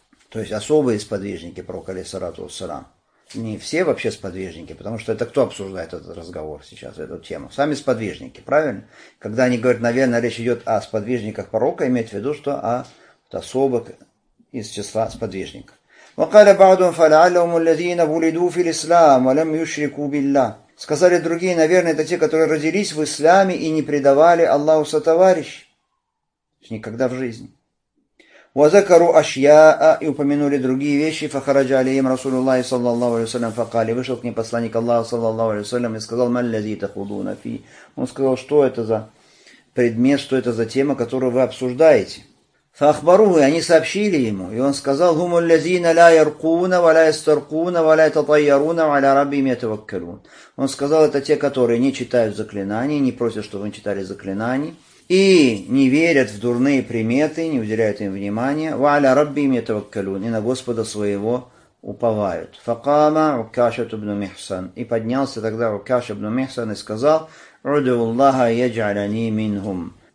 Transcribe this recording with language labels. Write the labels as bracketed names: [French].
[Russian] То есть особые сподвижники пророка, алейхиссалату вассалям. Не все вообще сподвижники, потому что это кто обсуждает этот разговор сейчас, эту тему? Сами сподвижники, правильно? Когда они говорят, наверное, речь идет о сподвижниках пророка, имеют в виду, что о особых из числа сподвижников. [Arabic] وقال بعضهم فلعلهم الذين ولدوا في الإسلام ولم يشركوا بالله. [Russian] Сказали другие, наверное, это те, которые родились в исламе и не предавали Аллаху сотоварищей. Никогда в жизни. [Arabic] وذكروا أشياء [Russian] и упомянули другие вещи. [Arabic] فخرج عليهم رسول الله صلى الله عليه وسلم فقال [Russian] вышел к ним посланник Аллаха صلى الله عليه وسلم и сказал [Arabic] ما الذي تخوضون فيه. [Russian] Он сказал, что это за предмет, что это за тема, которую вы обсуждаете. [Arabic] فأخبروه, [Russian] они сообщили ему, и он сказал [Arabic] هم الذين لا يرقون ولا يسترقون ولا يتطيرون وعلى ربهم يتوكلون. [Russian] Он сказал, это те, которые не читают заклинаний, не просят, чтобы они читали заклинаний, и не верят в дурные приметы, не уделяют им внимания. [Arabic] وَعَلَى رَبِّهِمْ يَتَوَكَّلُونَ. [Russian] И на Господа своего уповают. [Arabic] فَقَامَ عُكَاشَةُ بْنُ مِحْسَنَ. [Russian] И поднялся тогда Укаш ибн Мехсан и сказал [Arabic] عُدُوا اللَّهَ يَجْعَلَنِي مِنْهُمْ.